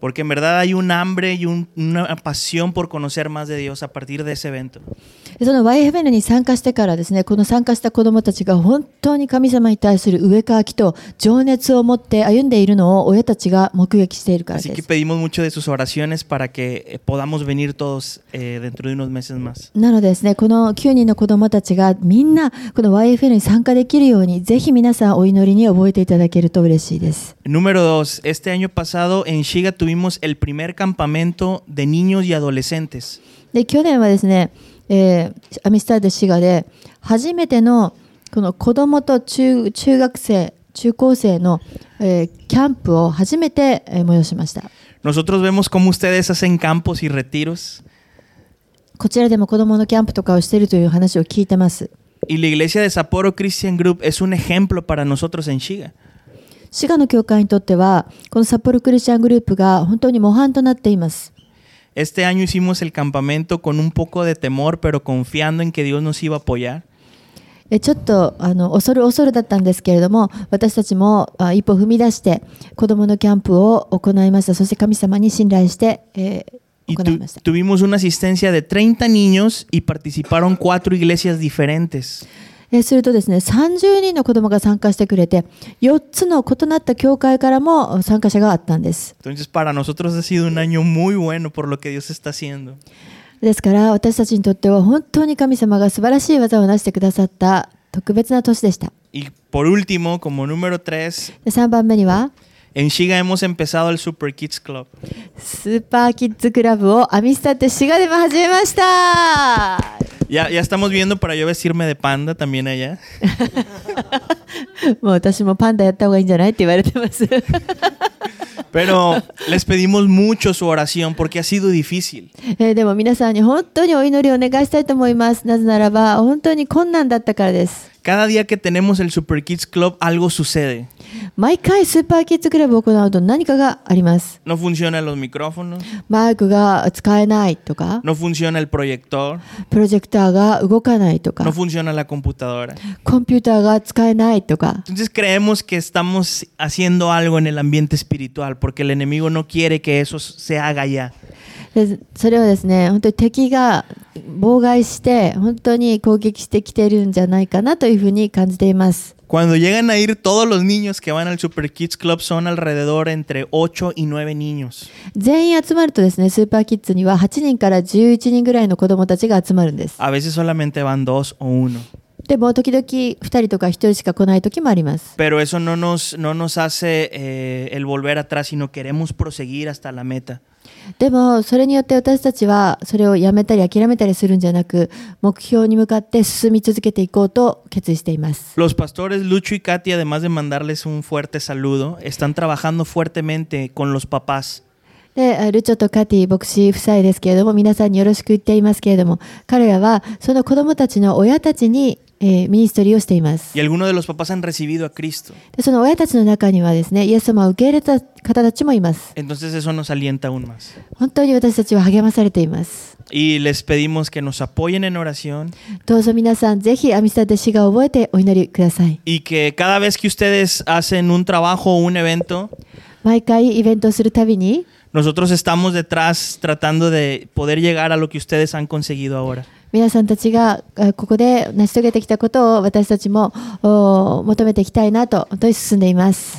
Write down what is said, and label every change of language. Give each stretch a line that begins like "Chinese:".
Spanish: Porque en verdad hay un hambre y una pasión por conocer más de Dios a partir de ese evento.
Japanese: その YFN に参加してからですね、この参加した子どもたちが本当に神様に対する飢え渇きと情熱を持って歩んでいるのを親たちが目撃しているからです。
Spanish: Así que pedimos mucho de sus oraciones para que podamos venir todos dentro de unos meses más.
Japanese: なのでですね、この9人の子どもたちがみんなこの YFN に参加できるように、ぜひ皆さんお祈りに覚えていただけると嬉しいです。
Spanish: Número dos, este año pasado en Shiga tuvimos el primer campamento de niños y adolescentes.
Japanese: で、去年はですね、アミスタでシガで初めて の, この子どもと 中学生中高生の、キャンプを初めて、催しました。
Spanish: Nosotros vemos como ustedes hacen campos y retiros.
Japanese: こちらでも子どものキャンプとかをしているという話を聞いてます。
Spanish: Y la iglesia de Sapporo Christian Group es un ejemplo para nosotros en Shiga.
Japanese: シガの教会にとってはこの札幌クリスチャングループが本当に模範となっています。
Spanish: Este año hicimos el campamento con un poco de temor, pero confiando en que Dios nos iba a apoyar.
Japanese: ちょっと恐る恐るだったんですけれども、私たちも一歩踏み出して子供のキャンプを行いました。そして神様に信頼して、行いました。
Spanish: Tuvimos una asistencia de 30 niños y participaron cuatro iglesias diferentes.
Japanese: するとですね、30人の子供が参加してくれて、4つの異なった教会からも参加者があったんです。
Spanish: Entonces, para nosotros ha sido un año muy bueno por lo que Dios está haciendo.
Japanese: ですから、私たちにとっては本当に神様が素晴らしい技を成してくださった特別な年でした。
Spanish: Y por último, como número 3,
Japanese: 3番目には、
Spanish: En Shiga hemos empezado el Super Kids Club.
Japanese: スーパーキッズクラブをアミスタってシガでも始めました。
Spanish: Ya estamos viendo para yo vestirme de panda también allá.
Japanese: もう私もパンダやった方がいいんじゃないって言われてます。
Spanish: Pero les pedimos mucho su oración porque ha sido difícil.
Japanese: でも皆さんに本当にお祈りをお願いしたいと思います。なぜならば本当に困難だったからです。
Spanish: Cada día que tenemos el Super Kids Club algo sucede.
Japanese: 毎回スーパーキッズクラブを行うと何かがあります。
Spanish: No funcionan los micrófonos.
Japanese: マイクが使えないとか。
Spanish: No funciona el proyector.
Japanese: プロジェクターが動かないとか。
Spanish: No funciona la computadora.
Japanese: コンピューターが使えないとか。
Spanish: Entonces creemos que estamos haciendo algo en el ambiente espiritual porque el enemigo no quiere que eso se haga ya.
Japanese: それはですね、本当に敵が妨害して本当に攻撃してきているんじゃないかなというふうに感じています。
Spanish: Cuando llegan a ir todos los niños que van al Super Kids Club son alrededor entre 8 y 9 niños.
Japanese: 全員集まるとですね、スーパーキッズには8人から11人ぐらいの子供たちが集まるんです。
Spanish: A veces solamente van dos o uno.
Japanese: でも時々2人とか1人しか来ない時もあります。
Spanish: Pero eso no nos hace el volver atrás, sino queremos proseguir hasta la meta.
Japanese: でもそれによって私たちはそれをやめたり諦めたりするんじゃなく目標に向かって進み続けていこうと決意しています。
Spanish: Los pastores Lucho y Katy, además de mandarles un fuerte saludo, están trabajando fuertemente con los papás.
Japanese: でルチョとカティ牧師夫妻ですけれども皆さんによろしく言っていますけれども彼らはその子供たちの親たちにミニストリーをしています。
Spanish: Y algunos de los papás han recibido a Cristo.
Japanese: でその親たちの中にはですねイエス様を受け入れた方たちもいます。
Spanish: Entonces eso nos alienta aún más.
Japanese: 本当に私たちは励まされています。
Spanish: Y les pedimos que nos apoyen en oración.
Japanese: どうぞ皆さんぜひアミスタッド氏が覚えてお祈りください。
Spanish: Y que cada vez que ustedes hacen un trabajo o un evento,
Japanese: 毎回イベントをするたびに
Spanish: Nosotros estamos detrás tratando de poder llegar a lo que ustedes han conseguido ahora.
Japanese: 皆さんたちがここで成し遂げてきたことを私たちも求めていきたいなと本当に進んでいます。